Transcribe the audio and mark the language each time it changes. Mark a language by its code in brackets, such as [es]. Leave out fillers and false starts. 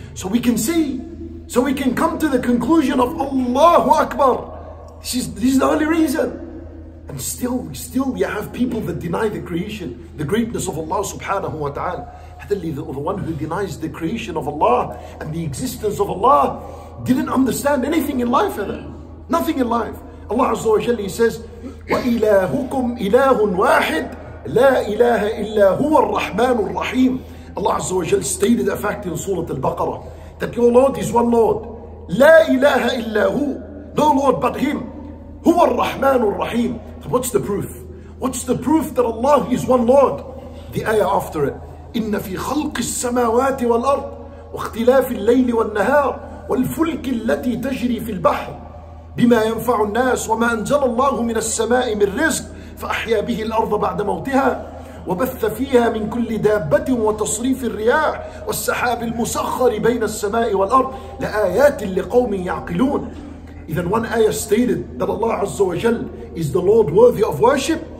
[en] So we can see, so we can come to the conclusion of Allahu Akbar. This is the only reason. And still we have people that deny the creation, the greatness of Allah subhanahu wa ta'ala. Hadali, the one who denies the creation of Allah and the existence of Allah didn't understand anything in life, either. Nothing in life. [ar] Allah Azza wa Jalla says, وَإِلَهُكُمْ إِلَهٌ وَاحِدٌ لَا إِلَهَ إِلَّا هُوَ الرَّحْمَانُ الرَّحِيمُ. [en] Allah Azza wa Jal stated a fact in Surah Al-Baqarah that your Lord is one Lord. [ar] لَا إِلَهَ إِلَّا هُوَ. [en] No Lord but Him. [ar] هُوَ الرَّحْمَانُ الرَّحِيمُ. [en] What's the proof? What's the proof that Allah is one Lord? The ayah after it. [ar] إِنَّ فِي خَلْقِ السَّمَاوَاتِ وَالْأَرْضِ وَاخْتِلَافِ اللَّيْلِ وَالنَّهَارِ وَالْفُلْكِ الَّتِي تَجْرِي فِي الْبَحْرِ بما ينفع الناس وما أنزل الله من السماء من رزق فأحيا به الأرض بعد موتها وبث فيها من كل دابة وتصريف الرياح والسحاب المسخر بين السماء والأرض لآيات لقوم يعقلون. إذن [en] one ayah stated that Allah Azza wa Jal is the Lord worthy of worship.